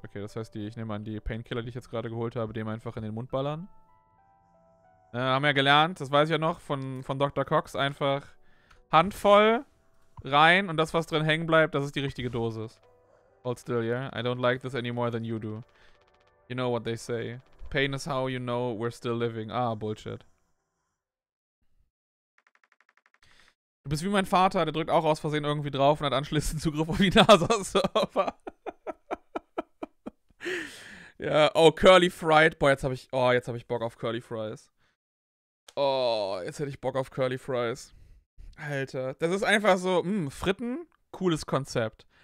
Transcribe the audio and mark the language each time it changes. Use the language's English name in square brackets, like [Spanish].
[German] Okay, das heißt, ich nehme an, die Painkiller, die ich jetzt gerade geholt habe, dem einfach in den Mund ballern. Haben wir ja gelernt, das weiß ich ja noch, von Dr. Cox, einfach Handvoll rein und das, was drin hängen bleibt, das ist die richtige Dosis. [English] Hold still, yeah? I don't like this any more than you do. You know what they say. Pain is how you know we're still living. Ah, Bullshit. [German] Du bist wie mein Vater, der drückt auch aus Versehen irgendwie drauf und hat anschließend Zugriff auf die NASA-Server. Ja, oh, Curly Fried. Boah, jetzt habe ich Bock auf Curly Fries. Oh, jetzt hätte ich Bock auf Curly Fries. Alter, das ist einfach so, Fritten, cooles Konzept.